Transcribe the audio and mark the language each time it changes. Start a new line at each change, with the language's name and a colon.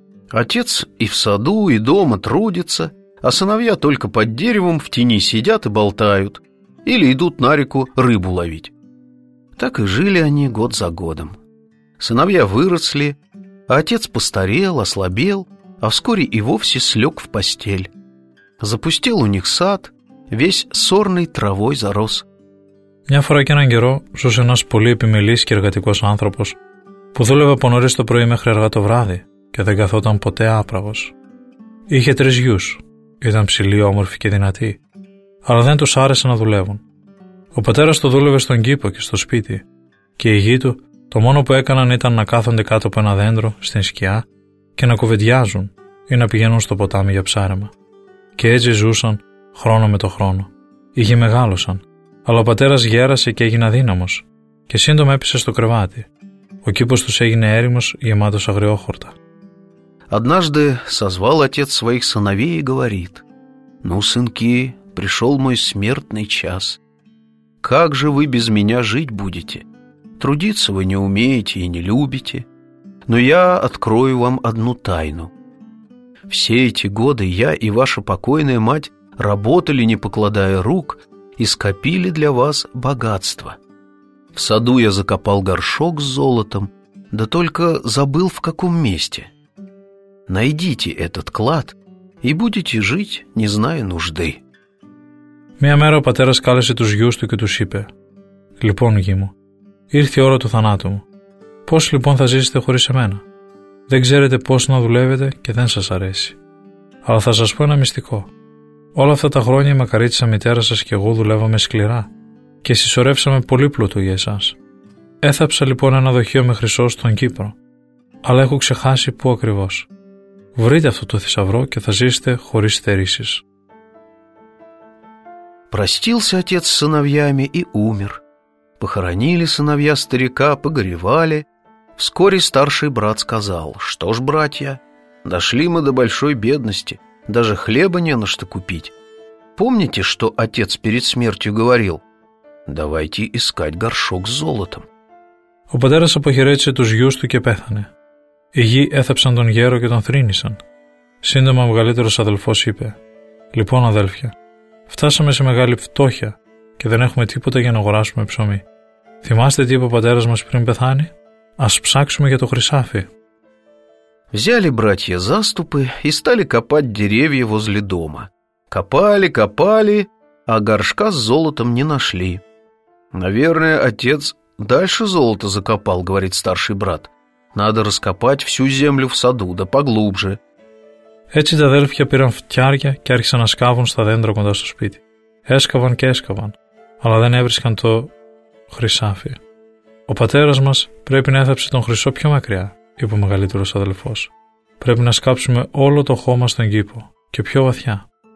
Russian: Отец и в саду, и дома трудится, а сыновья только под деревом в тени сидят и болтают или идут на реку рыбу ловить. Так и жили они год за годом. Сыновья выросли, а отец постарел, ослабел, а вскоре и вовсе слег в постель. Запустил у них сад, весь сорной травой зарос.
Greek: Мя фора к έναν καιρό ζούσε ένας πολύ επιμελής και εργατικός άνθρωπος που δούλευε από νωρίς το πρωί μέχρι αργά το βράδυ και δεν καθόταν ποτέ άπραγος. Είχε τρεις γιους. Ήταν ψηλοί, όμορφοι και δυνατοί, αλλά δεν τους άρεσε να δουλεύουν. Ο πατέρας του δούλευε στον κήπο και στο σπίτι, και οι γιοι του το μόνο που έκαναν ήταν να κάθονται κάτω από ένα δέντρο στην σκιά και να κουβεντιάζουν ή να πηγαίνουν στο ποτάμι για ψάρεμα. Και έτσι ζούσαν χρόνο με το χρόνο. Οι γιοι μεγάλωσαν, αλλά ο πατέρας γέρασε και έγινε αδύναμος και σύντομα έπεσε στο κρεβάτι. Ο κήπος τους έγινε έρημος, γεμάτος αγριόχορτα.
Russian: Однажды созвал отец своих сыновей и говорит: «Ну, сынки, пришел мой смертный час. Как же вы без меня жить будете? Трудиться вы не умеете и не любите. Но я открою вам одну тайну. Все эти годы я и ваша покойная мать работали, не покладая рук, и скопили для вас богатство. В саду я закопал горшок с золотом, да только забыл, в каком месте. Найдите этот клад и будете жить, не зная нужды».
Greek: Μια μέρα ο πατέρας κάλεσε τους γιους του και τους είπε: «Λοιπόν, γιοι μου, ήρθε η ώρα του θανάτου μου. Πώς λοιπόν θα ζήσετε χωρίς εμένα? Δεν ξέρετε πώς να δουλεύετε και δεν σας αρέσει. Αλλά θα σας πω ένα μυστικό. Όλα αυτά τα χρόνια η μακαρίτσα μητέρα σας και εγώ δουλεύαμε σκληρά και συσσωρεύσαμε πολύ πλούτο για εσάς. Έθαψα λοιπόν ένα δοχείο με χρυσό στον Κύπρο, αλλά έχω ξεχάσει πού ακριβώς. Βρείτε αυτό το θησαυρό και θα ζήσετε χωρίς στερήσεις».
Russian: Простился отец с сыновьями и умер. Похоронили сыновья старика, погоревали. Вскоре старший брат сказал: «Что ж, братья, дошли мы до большой бедности, даже хлеба не на что купить. Помните, что отец перед смертью говорил? Давайте искать горшок с золотом».
Greek: Ο πατέρας αποχαιρέτησε τους γιους του και πέθανε. Οι γιοι έθαψαν τον γέρο και τον θρύνησαν. Σύντομα ο μεγαλύτερος αδελφός είπε: «Λοιπόν, αδέλφια, φτάσαμε σε μεγάλη φτώχεια και δεν έχουμε τίποτα για να αγοράσουμε ψωμί. Θυμάστε τι είπε ο πατέρας μας πριν πεθάνει? Ας ψάξουμε για το χρυσάφι».
Russian: Взяли братья заступы и стали копать деревья возле дома. Копали, копали, а горшка с золотом не нашли. «Наверное, отец дальше золото закопал», — говорит старший брат. «Надо раскопать всю землю в саду, да поглубже».
Greek: Έτσι τα αδέλφια πήραν φτιάρια και άρχισαν να σκάβουν στα δέντρα κοντά στο σπίτι. Έσκαβαν και έσκαβαν, αλλά δεν έβρισκαν το χρυσάφι. «Ο πατέρας μας πρέπει να έθαψε τον χρυσό πιο μακριά», είπε ο μεγαλύτερος αδελφός. «Πρέπει να σκάψουμε όλο το χώμα στον κήπο και πιο βαθιά».